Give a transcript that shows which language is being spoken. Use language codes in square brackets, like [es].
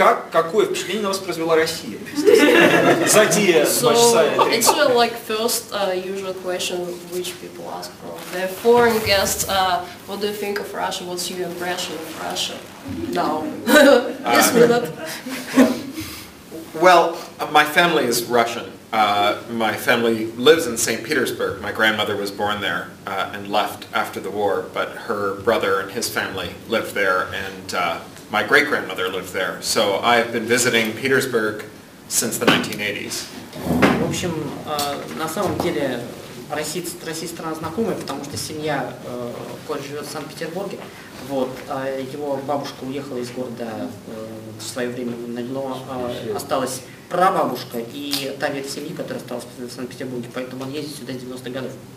[ru] Какое впечатление на вас произвела Россия? Задея большая. [en] It's really like first usual question which people ask for the foreign guests. What do you think of Russia? What's your impression of Russia now? This minute. Well, my family is Russian. My family lives in St. Petersburg. My grandmother was born there and left after the war, but her brother and his family lived there, and my great-grandmother lived there. So I've been visiting Petersburg since the 1980s. [ru] В общем, на самом деле российская страна знакомая, потому что семья Кори живет в Санкт-Петербурге. Вот, его бабушка уехала из города в свое время, но осталась прабабушка и та ветвь семьи, которая осталась в Санкт-Петербурге, поэтому он ездит сюда с 90-х годов.